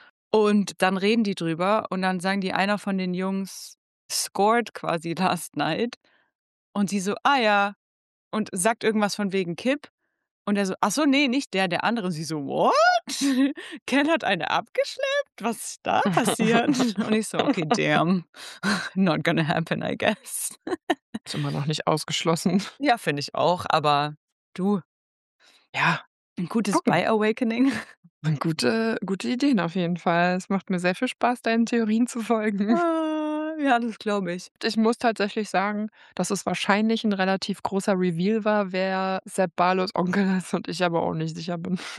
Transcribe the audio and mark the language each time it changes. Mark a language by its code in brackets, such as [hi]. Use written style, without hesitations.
[de] Und dann reden die drüber und dann sagen die, einer von den Jungs scored quasi [en] last night. [de] Und sie so, ah ja, und sagt irgendwas von wegen Kip. Und er so, ach so, nee, nicht der, der andere. Und sie so, what? Ken hat eine abgeschleppt? Was ist da passiert? Und ich so, okay, damn. [en] Not gonna happen, I guess. [de] Ist immer noch nicht ausgeschlossen. Ja, finde ich auch. Aber du, Ja. Ein gutes Bye-Awakening. Gute Ideen auf jeden Fall. Es macht mir sehr viel Spaß, deinen Theorien zu folgen. Ja, das glaube ich. Ich muss tatsächlich sagen, dass es wahrscheinlich ein relativ großer Reveal war, wer Sepp Barlows Onkel ist und ich aber auch nicht sicher bin.